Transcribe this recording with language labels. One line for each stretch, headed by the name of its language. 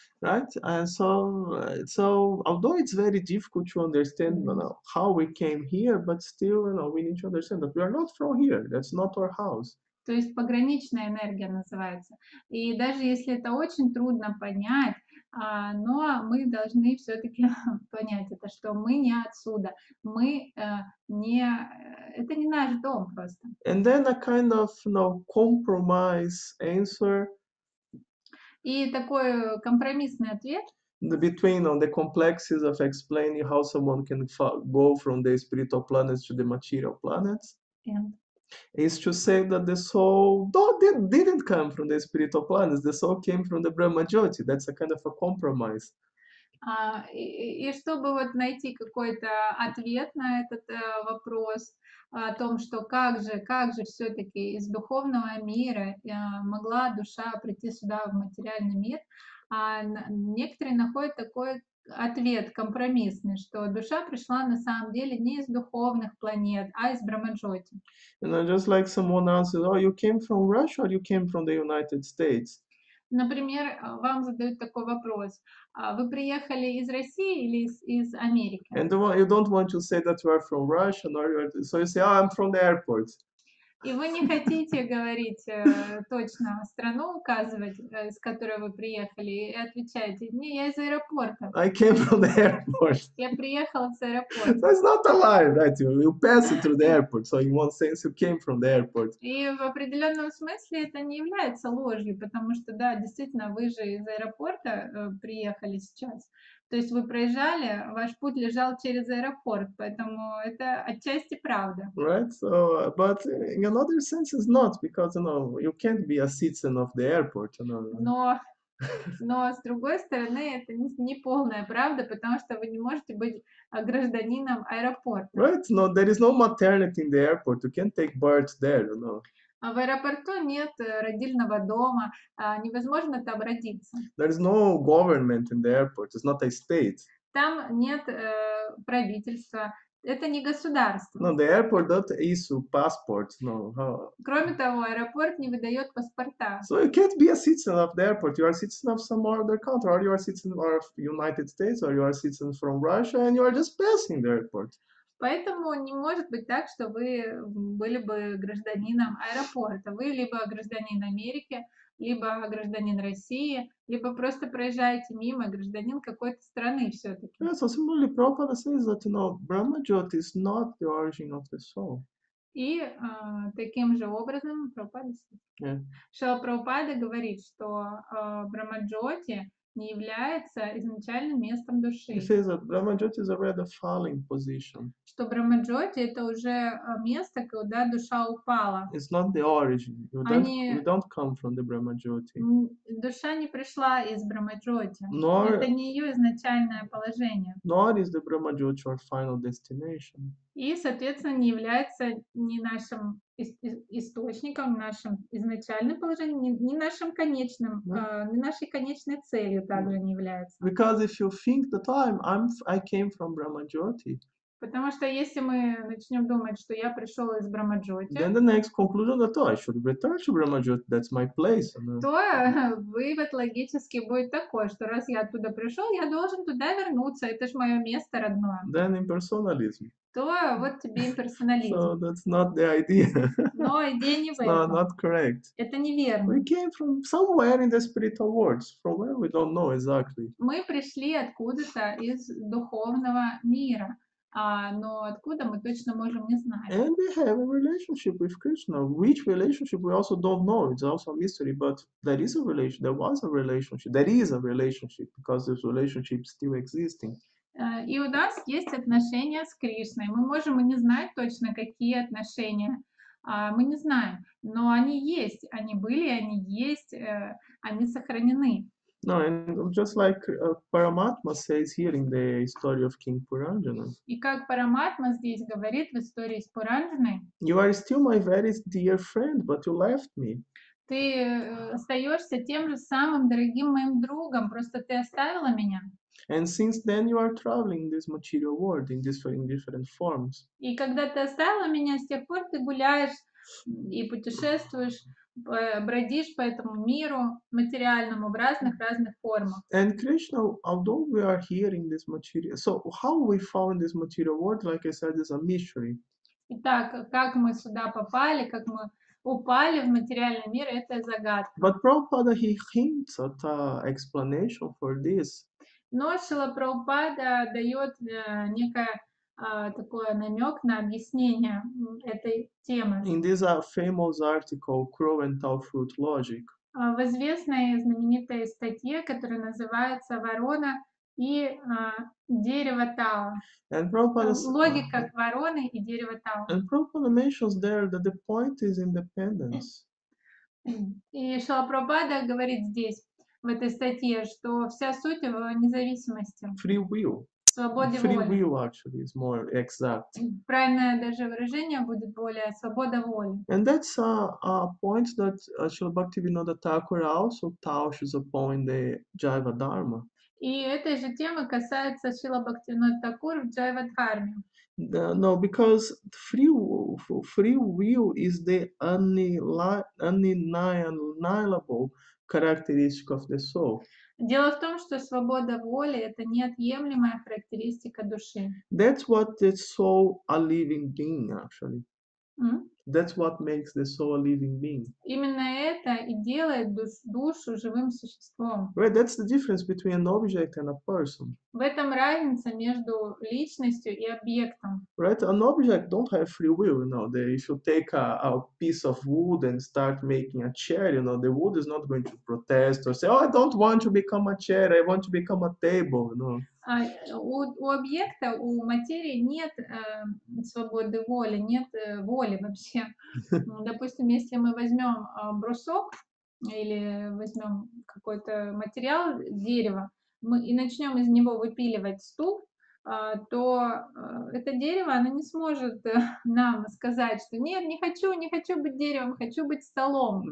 English: Right, and so although it's very difficult to understand, you know, how we came here, but still, you know, we need to understand that we are not from here. That's not our house.
Russian: То есть пограничная энергия называется. И даже если это очень трудно понять, но мы должны все-таки понять это, что мы не отсюда, мы не, это не наш дом просто.
English: And then a kind of, you know, compromise answer.
Russian: И такой компромиссный ответ.
English: Between on the complexities of explaining how someone can go from the spiritual planets to the material planets. Is to say that the soul didn't come from the spiritual planets. The soul came from the Brahmajyoti. That's a kind of a compromise.
Russian: И чтобы вот найти какой-то ответ на этот вопрос о том, что как же все-таки из духовного мира могла душа прийти сюда в материальный мир, некоторые находят такой ответ компромиссный, что душа пришла на самом деле не из духовных планет, а из Брахмаджоти.
English: You know, just like someone answers, oh, you came from Russia or you came from the United States?
Russian: Например, вам задают такой вопрос: вы приехали из России или из Америки?
English: And you don't want to say that you are from Russia, nor you are, so you say, oh, I'm from the airport.
Russian: И вы не хотите говорить точно страну, указывать, с которой вы приехали, и отвечаете, не, я из аэропорта.
English: I came from the airport.
Russian: Я приехал с аэропорта.
English: That's not a lie, right? You pass it through the airport, so in one sense you came from the airport.
Russian: И в определенном смысле это не является ложью, потому что, да, действительно, вы же из аэропорта приехали сейчас. То есть вы проезжали, ваш путь лежал через аэропорт, поэтому это отчасти правда.
English: Right, so, but in another sense it's not, because, you know, you can't be a citizen of the airport, you know.
Russian: Но с другой стороны, это не полная правда, потому что вы не можете быть гражданином аэропорта.
English: Right, no, there is no maternity in the airport, you can't take birth there, you know.
Russian: А в аэропорту нет родильного дома, невозможно там родиться.
English: There is no government in the airport, it's not a state.
Russian: Там нет правительства, это не государство.
English: No, the airport don't issue passports, no.
Russian: Кроме того, аэропорт не выдает паспорта.
English: So you can't be a citizen of the airport, you are a citizen of some other country, or you are a citizen of United States, or you are a citizen from Russia, and you are just passing the airport.
Russian: Поэтому не может быть так, что вы были бы гражданином аэропорта. Вы либо гражданин Америки, либо гражданин России, либо просто проезжаете мимо, гражданин какой-то страны все-таки.
English: Yes, so similarly, Prabhupada says that, you know, Brahmajyoti is not the origin of the soul.
Russian: И таким же образом Прабхупада
English: says.
Russian: Шрила Прабхупада говорит, что Брахмаджоти не является изначальным местом души.
English: He says that Brahmajyoti is already a falling position.
Russian: Что Брахмаджоти это уже место, куда душа упала.
English: It's not the origin. You don't come from the Brahmajyoti.
Russian: Душа не пришла из Брахмаджоти.
English: Nor,
Russian: это не ее изначальное положение.
English: Nor is the Brahmajyoti our final destination.
Russian: И, соответственно, не является ни нашим источником, нашим изначальным положением, ни нашим конечным, ни нашей конечной целью также не является.
English: Because if you think that I came from Brahmajyoti,
Russian: потому что если мы начнем думать, что я пришел из Брахмаджоти,
English: then the next conclusion that I should return to Brahmajyoti, that's my place.
Russian: То вывод логически будет такой, что раз я оттуда пришел, я должен туда вернуться, это же мое место родное.
English: Then impersonalism.
Russian: То вот тебе имперсонализм.
English: So that's not the idea.
Russian: Но идея не в этом.
English: Not correct.
Russian: Это неверно.
English: We came from somewhere in the spiritual world, from where we don't know exactly.
Russian: Мы пришли откуда-то из духовного мира. Но откуда мы точно можем не знать.
English: And we have a relationship with Krishna. Which relationship we also don't know. It's also a mystery, but there is a relationship. There was a relationship. There is a relationship, because this relationship is still existing.
Russian: И у нас есть отношения с Кришной. Мы можем и не знать точно, какие отношения. Мы не знаем, но они есть. Они были, они есть, они сохранены.
English: No, and just like Paramatma says here in the story of King Puranjana.
Russian: И как Параматма здесь говорит в истории с Пуранджаной.
English: You are still my very dear friend, but you left me.
Russian: Ты остаешься тем же самым дорогим моим другом, просто ты оставила меня.
English: And since then you are traveling this material world in different forms.
Russian: И когда ты оставила меня, с тех пор ты гуляешь и путешествуешь. Бродишь по этому миру материальному в разных формах.
English: And Krishna, although we are here in this material, so how we found this material world, like I said, is a mystery.
Russian: Итак, как мы сюда попали, как мы упали в материальный мир, это загадка.
English: But Prabhupada, he hints at an explanation for this.
Russian: Но Шрила Прабхупада дает некое такой намек на объяснение этой темы.
English: In this famous article, Crow and Tall Fruit Logic.
Russian: В известной знаменитой статье, которая называется «Ворона и дерево Тала».
English: And Prabhupada
Russian: логика вороны и дерево Тала.
English: And Prabhupada mentions there that the point is independence.
Russian: И Шрила Прабхупада говорит здесь, в этой статье, что вся суть в независимости.
English: Free will.
Russian: Свободе
English: Free
Russian: воли.
English: Will actually is more exact.
Russian: Правильное даже выражение будет более свобода воли.
English: And that's a point that Srila Bhaktivinoda Thakura also touches upon in the Jiva Dharma.
Russian: И этой же темы касается Шрила Бхактивинода Такур в Джайва Дхарме.
English: No, because free will is the unalienable characteristic of the soul.
Russian: Дело в том, что свобода воли — это неотъемлемая характеристика души.
English: That's what the soul, a living being, actually. Mm-hmm. That's what makes the soul a living being.
Russian: Именно это и делает душу живым существом.
English: Right, that's the difference between an object and a person.
Russian: В этом разница между личностью и объектом.
English: Right, an object don't have free will, you know. If you take a piece of wood and start making a chair, you know, the wood is not going to protest or say, oh, I don't want to become a chair, I want to become a table, you know.
Russian: А у объекта, у материи нет свободы воли, нет воли вообще. Допустим, если мы возьмем брусок или возьмем какой-то материал, дерево, мы и начнем из него выпиливать стул, то это дерево, оно не сможет нам сказать, что нет, не хочу быть деревом, хочу быть столом.